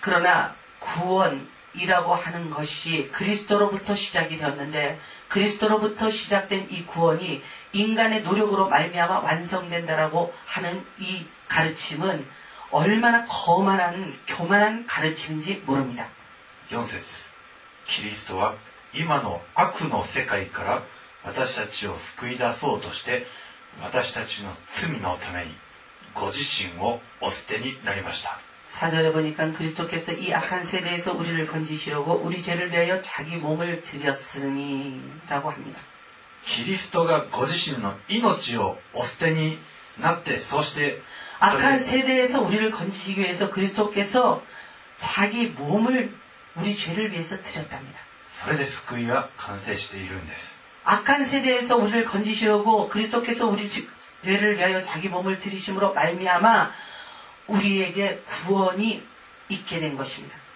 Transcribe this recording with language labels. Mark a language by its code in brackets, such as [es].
[ko] 그러나구원이라고하는것이그리스도로부터시작이되었는데그리스도로부터시작된이구원이인간의노력으로말미암아완성된다라고하는이가르침은얼마나거만한교만한가르침인지모릅니다 [ja] 4節キリストは今の悪の世界から私たちを救い出そうとして私たちの罪のためにご自身をお捨てになりました。 [ko] 사절에보니까그리스도께서이악한세대에서우리를건지시려고우리죄를위하여자기몸을드렸으니라고합니다 [ja] キリストがご自身の命をお捨てになってそして [ko] 악한세대에서우리를건지시기위해서그리스도께서자기몸을우리죄를위해서드렸답니다 그래서 [ja] 救いは完成しているんです [ko] 악한세대에서우리를건지시고그리스도께서우리죄를위하여자기몸을드리심으로말미암아우리에게구원이있게된것입니다